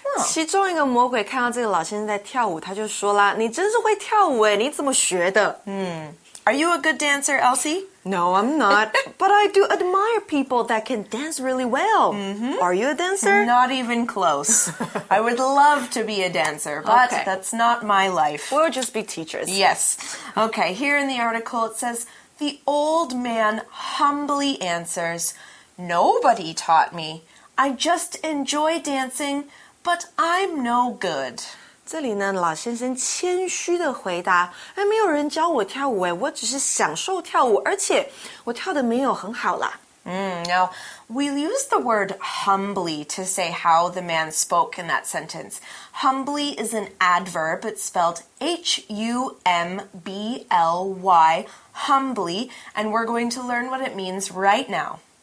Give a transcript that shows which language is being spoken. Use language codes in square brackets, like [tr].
[zh] 其中一个魔鬼看到这个老先生在跳舞，他就说啦，你真是会跳舞耶，你怎么学的？ [en] Are you a good dancer, Elsie? No, I'm not. But I do admire people that can dance really well. Are you a dancer? Not even close. I would love to be a dancer, but that's not my life. We'll just be teachers. Yes. Okay, here in the article it says, the old man humbly answers, nobody taught me. I just enjoy dancing, but I'm no good. [zh] 这里呢，老先生谦虚的回答：“哎，没有人教我跳舞，哎，我只是享受跳舞，而且我跳的没有很好啦。 [en] Now we use the word humbly to say how the man spoke in that sentence. Humbly is an adverb. It's spelled H-U-M-B-L-Y, humbly, and we're going to learn what it means right now.